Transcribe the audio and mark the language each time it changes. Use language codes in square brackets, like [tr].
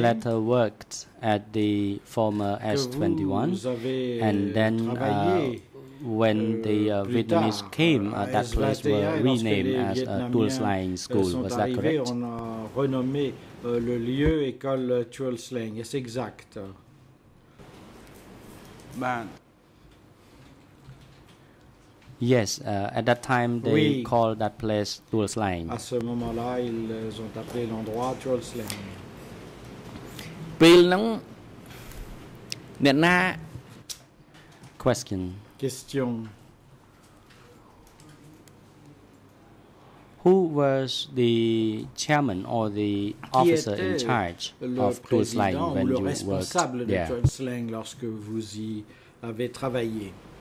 [en] later worked at the former S-21 and then when the Vietnamese came, that place was renamed as Tools Lying School. Was that correct? [fr] On a renommé le lieu école Tools Lying. C'est exact. [en] Yes, at that time they called that place Tools Lying. [fr] À ce moment-là, ils ont appelé l'endroit Tools Lying. Bill Nung, Nana. Question. Question. [en] Who was the chairman or the officer in charge of Tools Lying when you worked there? [fr] Le responsable de Tools Lying lorsque vous y avez travaillé.